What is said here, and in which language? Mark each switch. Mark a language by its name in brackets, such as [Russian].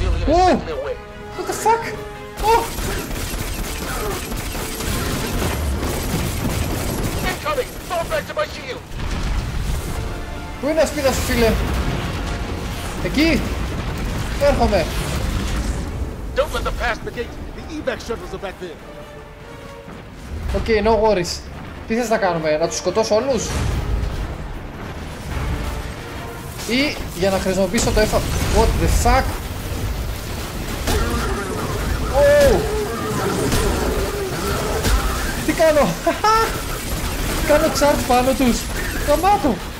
[English] Ω! What the fuck? Ω! [Greek] Πού είναι η ασπίδα σου, φίλε? Εκεί! Έρχομαι! [English] Don't let them pass the gate. The evac shuttles are back there. Okay, no worries. [Greek] Τι θες να κάνουμε, να τους σκοτώσω όλους? Ή για να χρησιμοποιήσω το εφα... [English] What the fuck? Oh! [Greek] Τι κάνω? Κάνω τσάρτ πάνω τους. Το μάτω.